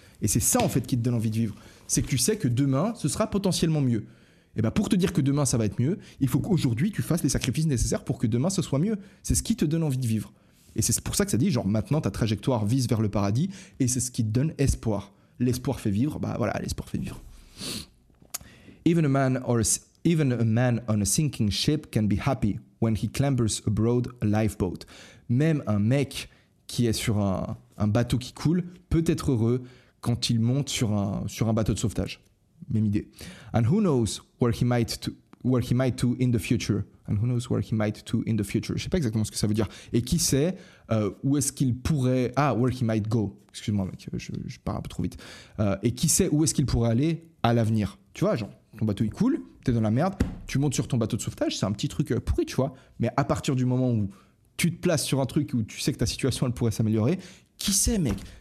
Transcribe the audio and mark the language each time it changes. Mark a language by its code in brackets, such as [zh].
[fr] Et c'est ça, en fait, qui te donne envie de vivre. C'est que tu sais que demain, ce sera potentiellement mieux. Et bien, pour te dire que demain, ça va être mieux, il faut qu'aujourd'hui, tu fasses les sacrifices nécessaires pour que demain, ce soit mieux. C'est ce qui te donne envie de vivre. Et c'est pour ça que ça dit, genre, maintenant, ta trajectoire vise vers le paradis et c'est ce qui te donne espoir. L'espoir fait vivre. Bah voilà, l'espoir fait vivre. [en] Even a man on a sinking ship can be happy when he clambers aboard a lifeboat. [fr] Même un mec qui est sur un bateau qui coule peut être heureux quand il monte sur un bateau de sauvetage. Même idée. [en] And who knows where he might to in the future. And who knows where he might to in the future. [fr] Je sais pas exactement ce que ça veut dire. Et qui sait où est-ce qu'il pourrait... Ah, [en] where he might go. [fr] Excuse-moi, mec, je pars un peu trop vite. Et qui sait où est-ce qu'il pourrait aller à l'avenir. Tu vois, genre, ton bateau, il coule, t'es dans la merde, tu montes sur ton bateau de sauvetage, c'est un petit truc pourri, tu vois. Mais à partir du moment où tu te places sur un truc où tu sais que ta situation, elle pourrait s'améliorer, qui sait, mec ?